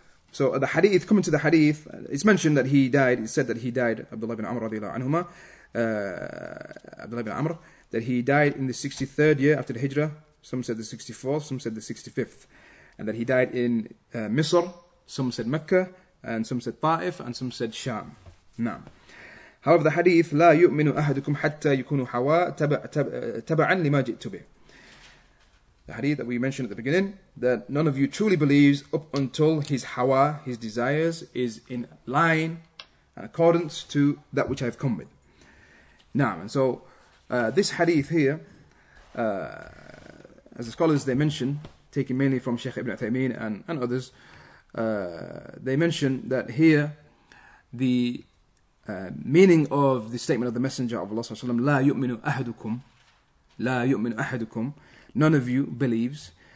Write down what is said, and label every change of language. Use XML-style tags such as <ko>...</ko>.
<en>So the hadith, coming to the hadith, it's mentioned that he died, Abdullah ibn Amr radiallahu anhuma, Abdullah ibn Amr, that he died in the 63rd year after the Hijrah, some said the 64th, some said the 65th, and that he died in Misr, some said Mecca, and some said Taif, and some said Sham. Naam. However, the hadith,</en> <ar>لا يؤمن أحدكم حتى يكون حواء تبعا لما جئت به.</ar> <en>The hadith that we mentioned at the beginning, that none of you truly believes up until his hawa, his desires, is in line and accordance to that which I have come with. Now, and so this hadith here, as the scholars they mention, taken mainly from Sheikh Ibn Uthaymeen and others, they mention that here the meaning of the statement of the Messenger of Allah,</en> <ar>لا يؤمن أحدكم, لا يؤمن أحدكم,</ar> <en>none of you believes.</en>